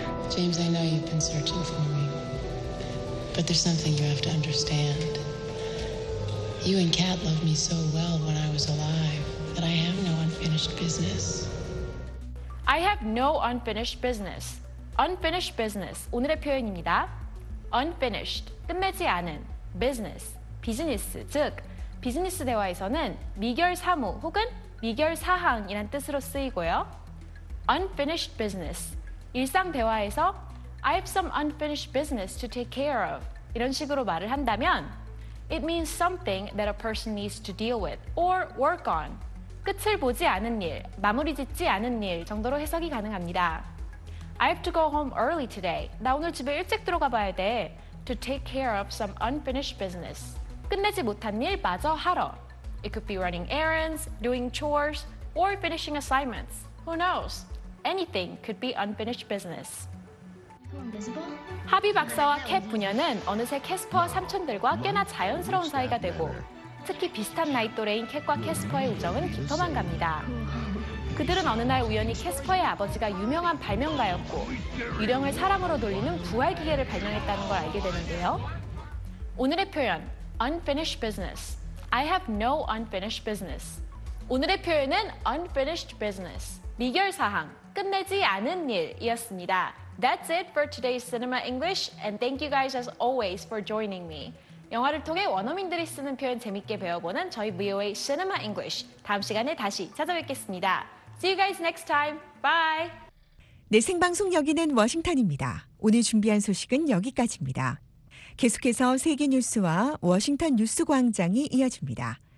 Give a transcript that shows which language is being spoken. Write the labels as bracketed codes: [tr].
[en] James, I know you've been searching for me. But there's something you have to understand. You and Kat loved me so well when I was alive that I have no unfinished business. I have no unfinished business. [ko] Unfinished business, 오늘의 표현입니다. Unfinished, 끝맺지 않은, business, 비즈니스, 즉, 비즈니스 대화에서는 미결 사무 혹은 미결 사항이란 뜻으로 쓰이고요. [en] Unfinished business, [ko] 일상 대화에서 [en] I have some unfinished business to take care of, [ko] 이런 식으로 말을 한다면 [en] It means something that a person needs to deal with or work on. [ko] 끝을 보지 않은 일, 마무리 짓지 않은 일 정도로 해석이 가능합니다. [en] I have to go home early today. [ko] 나 오늘 집에 일찍 들어가 봐야 돼. [en] To take care of some unfinished business. [ko] 끝내지 못한 일 마저 하러. [en] It could be running errands, doing chores, or finishing assignments. Who knows? Anything could be unfinished business. [ko] 하비 박사와 캣 부녀는 어느새 캐스퍼와 삼촌들과 꽤나 자연스러운 사이가 되고 특히 비슷한 나이 또래인 캣과 캐스퍼의 우정은 깊어만 갑니다. 그들은 어느 날 우연히 캐스퍼의 아버지가 유명한 발명가였고 유령을 사람으로 돌리는 부활기계를 발명했다는 걸 알게 되는데요. 오늘의 표현, unfinished business. [en] I have no unfinished business. [ko] 오늘의 표현은 unfinished business, 미결사항, 끝내지 않은 일이었습니다. [en] That's it for today's Cinema English, and thank you guys as always for joining me. [ko] 영화를 통해 원어민들이 쓰는 표현 재밌게 배워보는 저희 VOA Cinema English. 다음 시간에 다시 찾아뵙겠습니다. [en] See you guys next time. Bye! [ko] 네, 생방송 여기는 워싱턴입니다. 오늘 준비한 소식은 여기까지입니다. 계속해서 세계 뉴스와 워싱턴 뉴스 광장이 이어집니다.